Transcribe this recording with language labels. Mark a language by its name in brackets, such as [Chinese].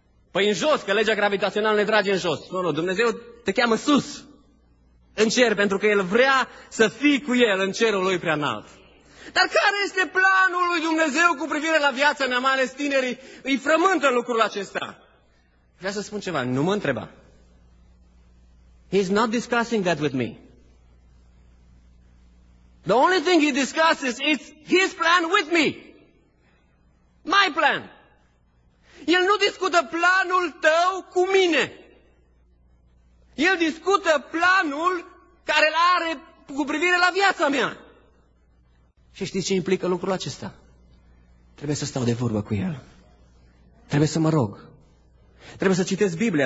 [Romanian] Păi în jos, că legea gravitațională ne trage în jos. Nu, nu, Dumnezeu te cheamă sus, în cer, pentru că El vrea să fii cu El în cerul Lui preanalt. Dar care este planul lui Dumnezeu cu privire la viața mea, mai ales tinerii? Îi frământă lucrul acesta. Vreau să spun ceva, nu mă întreba. [English] He's not discussing that with me. The only thing he discusses is his plan with me. My plan. [Romanian] El nu discută planul tău cu mine. El discută planul care îl are cu privire la viața mea. Și știți ce implică lucrul acesta? Trebuie să stau de vorbă cu el. Trebuie să mă rog. Trebuie să citesc Biblia.